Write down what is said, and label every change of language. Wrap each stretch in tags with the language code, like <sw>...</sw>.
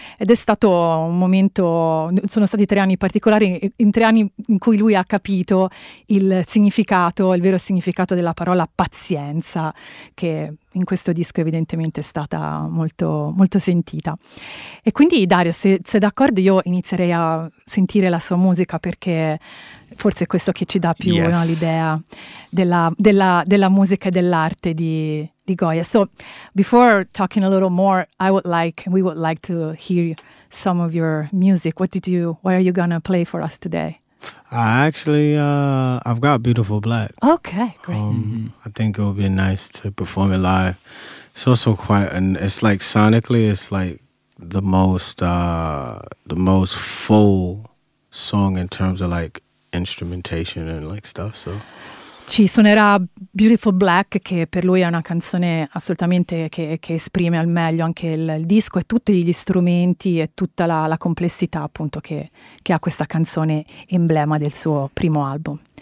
<it>Ed è stato un momento, sono stati 3 anni particolari, in 3 anni in cui lui ha capito il significato, il vero significato della parola pazienza, che in questo disco evidentemente è stata molto, molto sentita. E quindi Dario, se sei d'accordo, io inizierei a sentire la sua musica, perché forse è questo che ci dà più</it> <en>yes.</en> <it>no, l'idea della musica e dell'arte di Goya.</it> <en>So before talking a little more, I would like, we would like to hear some of your music. What are you gonna play for us today? I actually, I've got Beautiful Black. Okay, great. I think it would be nice to perform it live. It's also quite, and it's like sonically, it's like the most full song in terms of like instrumentation and like stuff. So.</en> <it>Ci suonerà Beautiful Black, che per lui è una canzone assolutamente che esprime al meglio anche il disco e tutti gli strumenti e tutta la complessità appunto che ha questa canzone emblema del suo primo album.</it>